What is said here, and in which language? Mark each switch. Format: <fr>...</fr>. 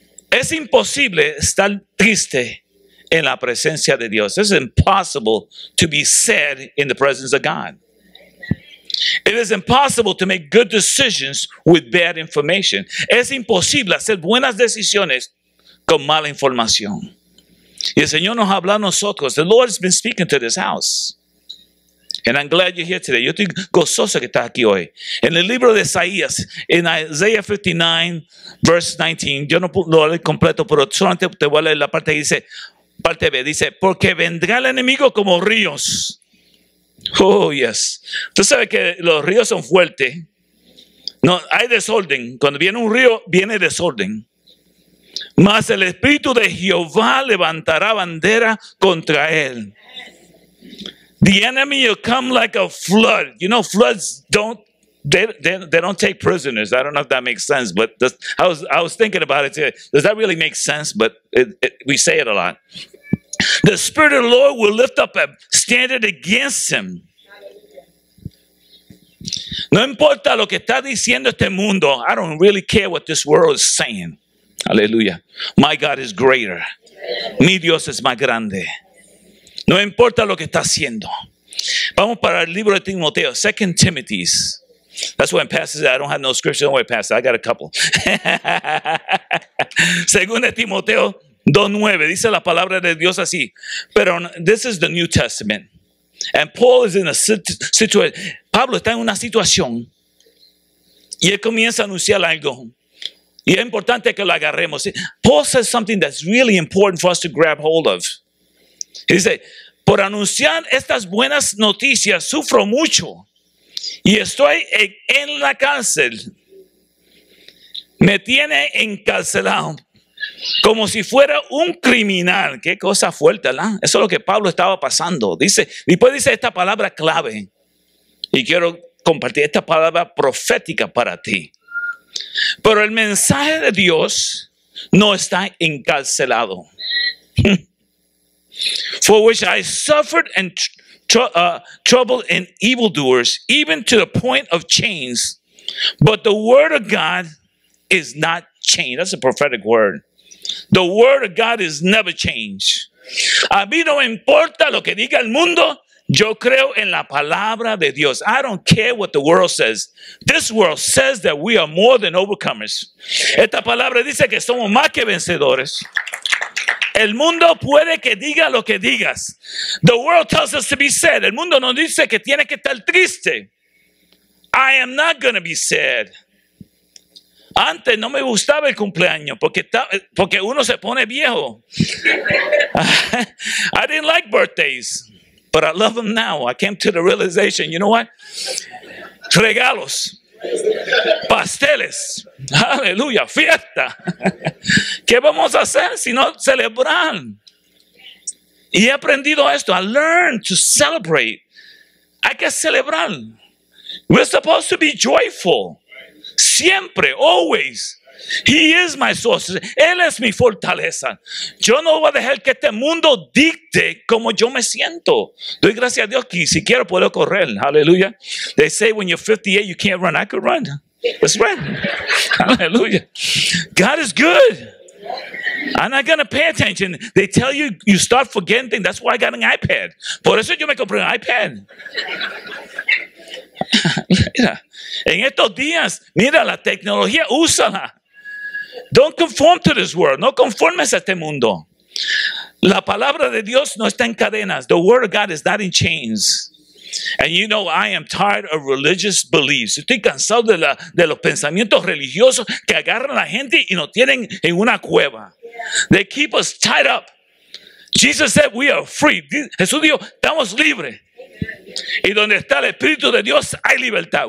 <es>Es imposible estar triste en la presencia de Dios.</es> <en>It's impossible to be sad in the presence of God. It is impossible to make good decisions with bad information.</en> <es>Es imposible hacer buenas decisiones con mala información. Y el Señor nos habla a nosotros.</es> <en>The Lord has been speaking to this house. And I'm glad you're here today.</en> <es>Yo estoy gozoso que estás aquí hoy. En el libro de Isaías, en</es> <en>Isaiah 59, verse 19,</en> <es>yo no puedo leer completo, pero solamente te voy a leer la parte que dice, parte B, dice, porque vendrá el enemigo como ríos.</es> <en>Oh, yes.</en> <es>Tú sabes que los ríos son fuertes. No, hay desorden. Cuando viene un río, viene desorden. Mas el Espíritu de Jehová levantará bandera contra él.</es> <en>The enemy will come like a flood. You know, floods don't, they don't take prisoners. I don't know if that makes sense, but I was thinking about it. Does that really make sense? But we say it a lot. The Spirit of the Lord will lift up a standard against him.</en> <es>No importa lo que está diciendo este mundo.</es> <en>I don't really care what this world is saying. Hallelujah. My God is greater.</en> <es>Mi Dios es más grande. No importa lo que está haciendo. Vamos para el libro de Timoteo.</es> <en>2 Timothy. That's when it passes. I don't have no scripture.</en> <es>Don't worry, Pastor. I got a couple. 2 Timoteo 2:9. Dice la palabra de Dios así. Pero</es> <en>this is the New Testament. And Paul is in a situation.</en> <es>Pablo está en una situación. Y él comienza a anunciar algo. Y es importante que lo agarremos.</es> <en>Paul says something that's really important for us to grab hold of. He said,</en> <es>por anunciar estas buenas noticias, sufro mucho. Y estoy en la cárcel. Me tiene encarcelado. Como si fuera un criminal. Qué cosa fuerte, ¿verdad? Eso es lo que Pablo estaba pasando. Dice, después dice esta palabra clave. Y quiero compartir esta palabra profética para ti. Pero el mensaje de Dios no está encarcelado.</es> <en>For which I suffered and trouble and evildoers, even to the point of chains. But the word of God is not changed. That's a prophetic word. The word of God is never changed.</en> <es>A mí no importa lo que diga el mundo. Yo creo en la palabra de Dios.</es> <en>I don't care what the world says. This world says that we are more than overcomers.</en> <es>Esta palabra dice que somos más que vencedores. El mundo puede que diga lo que digas.</es> <en>The world tells us to be sad.</en> <es>El mundo nos dice que tiene que estar triste.</es> <en>I am not going to be sad.</en> <es>Antes no me gustaba el cumpleaños porque uno se pone viejo.</es> <en>I didn't like birthdays. But I love them now. I came to the realization, you know what?</en> <es>Regalos. Pasteles. Aleluya. Fiesta. ¿Qué vamos a hacer si no celebrar? Y he aprendido esto.</es> <en>I learned to celebrate.</en> <es>Hay que celebrar.</es> <en>We're supposed to be joyful. Siempre. Always. He is my source.</en> <es>Él es mi fortaleza. Yo no voy a dejar que este mundo dicte cómo yo me siento. Doy gracias a Dios que si quiero puedo correr. Aleluya.</es> <en>They say when you're 58 you can't run. I could run. Let's run. Aleluya. God is good. I'm not going to pay attention. They tell you, you start forgetting things. That's why I got an iPad.</en> <es>Por eso yo me compré un iPad. Mira, en estos días, mira la tecnología, úsala.</es> <en>Don't conform to this world.</en> <es>No conformes a este mundo. La palabra de Dios no está en cadenas.</es> <en>The word of God is not in chains. And you know, I am tired of religious beliefs.</en> <es>Estoy cansado de los pensamientos religiosos que agarran a la gente y nos tienen en una cueva.</es> <en>They keep us tied up. Jesus said, we are free.</en> <es>Jesús dijo, estamos libres. Y donde está el Espíritu de Dios, hay libertad.</es>